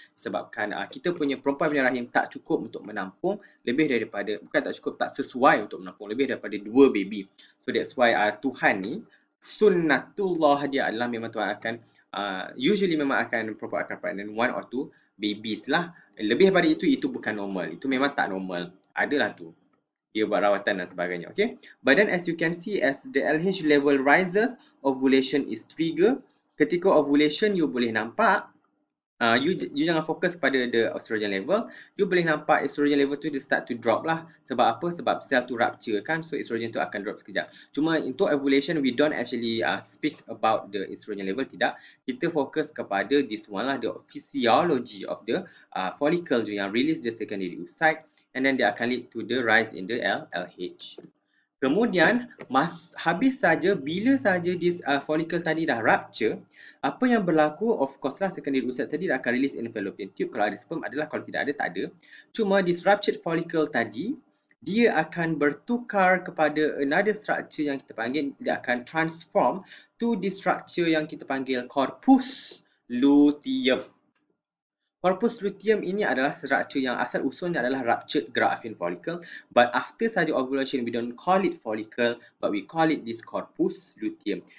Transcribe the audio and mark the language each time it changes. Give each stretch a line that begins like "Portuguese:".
Malay: Sebabkan kita punya perempuan punya rahim tak cukup untuk menampung lebih daripada, bukan tak cukup, tak sesuai untuk menampung lebih daripada dua baby.
English: So that's why
Malay: Tuhan ni, sunnatullah dia adalah memang Tuhan akan, usually memang akan perempuan akan
English: pregnant one or two babies
Malay: lah. Lebih daripada itu, itu bukan normal. Itu memang tak normal. Adalah tu. Dia buat rawatan dan sebagainya. Okay.
English: But then as you can see, as the LH level rises, ovulation is triggered.
Malay: Ketika ovulation, you boleh nampak, you jangan fokus pada
English: the estrogen level.
Malay: You boleh nampak estrogen level tu dia
English: start to drop
Malay: lah. Sebab apa? Sebab sel tu rupture kan.
English: So,
Malay: estrogen tu akan drop sekejap. Cuma untuk ovulation,
English: we don't actually speak about the estrogen level.
Malay: Tidak. Kita fokus kepada
English: this one lah, the physiology of the follicle tu yang release the secondary oocyte. And then,
Malay: dia akan lead to the rise in the LH. Kemudian, habis saja, bila saja
English: this follicle
Malay: tadi dah rupture, apa yang berlaku, of course lah, secondary oocyte tadi dah akan release in fallopian tube. Kalau ada sperm adalah, kalau tidak ada, tak ada. Cuma this ruptured follicle tadi, dia akan bertukar kepada
English: another structure
Malay: yang kita panggil, dia akan
English: transform to this structure
Malay: yang kita panggil corpus luteum. Corpus luteum ini adalah structure yang asal usulnya adalah ruptured Graafian follicle.
English: But after
Malay: saja
English: ovulation, we don't call it follicle, but we call it this corpus luteum.